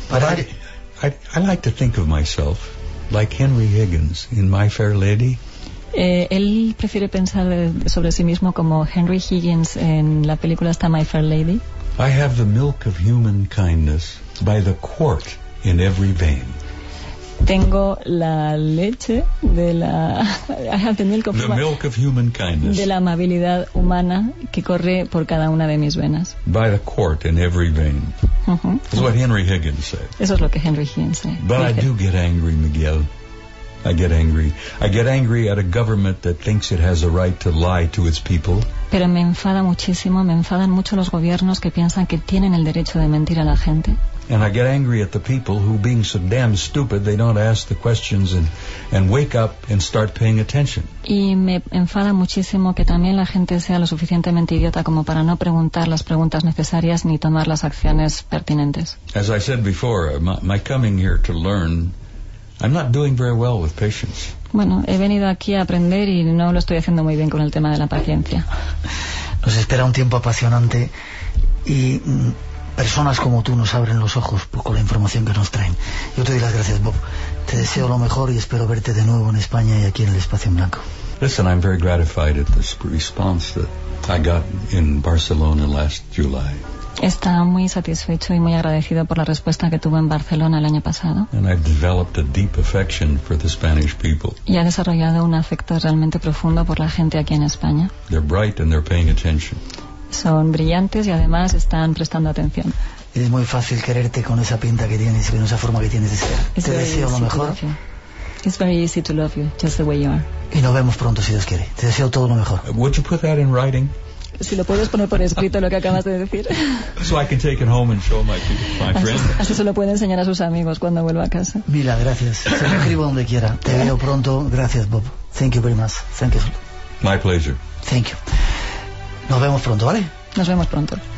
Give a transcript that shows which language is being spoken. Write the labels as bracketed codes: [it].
[en] But I like to think of myself like Henry Higgins in My Fair Lady. [es] Él prefiere pensar sobre sí mismo como Henry Higgins en la película esta My Fair Lady. [en] I have the milk of human kindness by the quart in every vein. [es] Tengo la leche de la... [en] I have the milk of human... The milk of human kindness. [es] De la amabilidad humana que corre por cada una de mis venas. [en] By the quart in every vein. Uh-huh. Is what Henry Higgins said. [es] Eso es lo que Henry Higgins said. [en] But dice. I do get angry, Miguel. I get angry. I get angry at a government that thinks it has a right to lie to its people. [es] Pero me enfada muchísimo, me enfadan mucho los gobiernos que piensan que tienen el derecho de mentir a la gente. [en] And I get angry at the people who, being so damn stupid, they don't ask the questions and wake up and start paying attention. [es] Y me enfada muchísimo que también la gente sea lo suficientemente idiota como para no preguntar las preguntas necesarias ni tomar las acciones pertinentes. [en] As I said before, my coming here to learn, I'm not doing very well with patience. [es] Bueno, he venido aquí a aprender y no lo estoy haciendo muy bien con el tema de la paciencia. Nos espera un tiempo apasionante y personas como tú nos abren los ojos con la información que nos traen. Yo te doy las gracias, Bob. Te deseo lo mejor y espero verte de nuevo en España y aquí en el Espacio en Blanco. [en] Listen, I'm very gratified at this response that I got in Barcelona last July. [es] Está muy satisfecho y muy agradecido por la respuesta que tuvo en Barcelona el año pasado. [en] And I've developed a deep affection for the Spanish people. [es] Y ha desarrollado un afecto realmente profundo por la gente aquí en España. [en] They're bright and they're paying attention. [es] Son brillantes y además están prestando atención. Es muy fácil quererte con esa pinta que tienes y con esa forma que tienes de ser. Te deseo lo mejor. [en] It's very easy to love you, just the way you are. [es] Y nos vemos pronto, si Dios quiere. Te deseo todo lo mejor. [en] Would you put that in writing? [es] Si lo puedes poner por escrito lo que acabas de decir. [en] So I can take it home and show my friends. [es] Así se lo puede enseñar a sus amigos cuando vuelva a casa. Mila, gracias. Se lo escribo donde quiera. Te veo pronto. Gracias, Bob. [en] Thank you very much. Thank you. My pleasure. Thank you. [es] Nos vemos pronto, ¿vale? Nos vemos pronto.